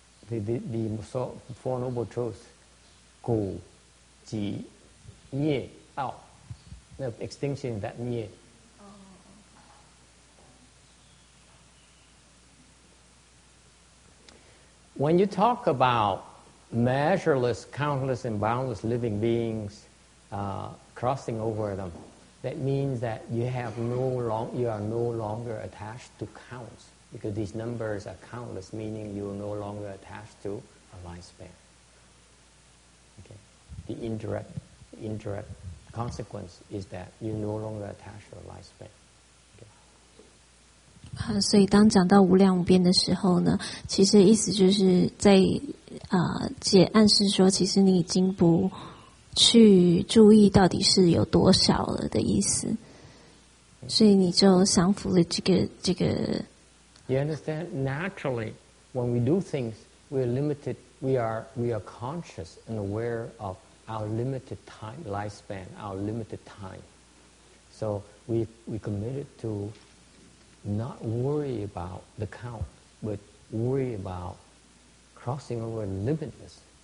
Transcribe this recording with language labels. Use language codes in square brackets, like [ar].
[en] The Four Noble Truths, 苦集灭道 no, extinction that 灭 When you talk about measureless, countless, and boundless living beings crossing over them, that means that you are no longer attached to counts. Because these numbers are countless, meaning you are no longer attached to a lifespan. Okay. The indirect consequence is that you no longer attached to a lifespan. Okay. [zh] 所以当讲到无量无边的时候呢，其实意思就是在解暗示说，其实你已经不去注意到底是有多少了的意思。所以你就降服了这个。 [en] You understand? Naturally, when we do things, we are limited. We are conscious and aware of our limited time, lifespan, our limited time. So we committed to not worry about the count, but worry about crossing over limitless.